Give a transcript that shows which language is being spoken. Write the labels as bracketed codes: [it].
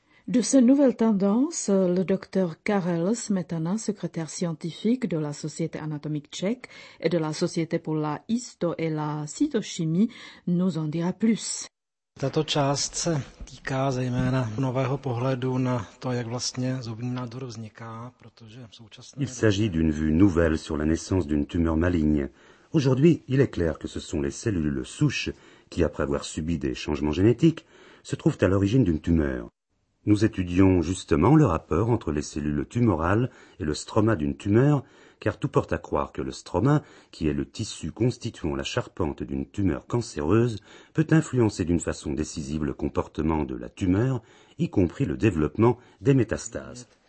[fr] De ces nouvelles tendances, le docteur Karel Smetana, secrétaire scientifique de la Société anatomique tchèque et de la Société pour la histo- et la cytochimie, nous en dira plus. [cs] Tato část se týká zejména nového pohledu na to, jak vlastně zubní nádor vzniká, protože v současné... [fr] Il s'agit d'une vue nouvelle sur la naissance d'une tumeur maligne. Aujourd'hui, il est clair que ce sont les cellules souches qui, après avoir subi des changements génétiques, se trouvent à l'origine d'une tumeur. Nous étudions justement le rapport entre les cellules tumorales et le stroma d'une tumeur, car tout porte à croire que le stroma, qui est le tissu constituant la charpente d'une tumeur cancéreuse, peut influencer d'une façon décisive le comportement de la tumeur, y compris le développement des métastases.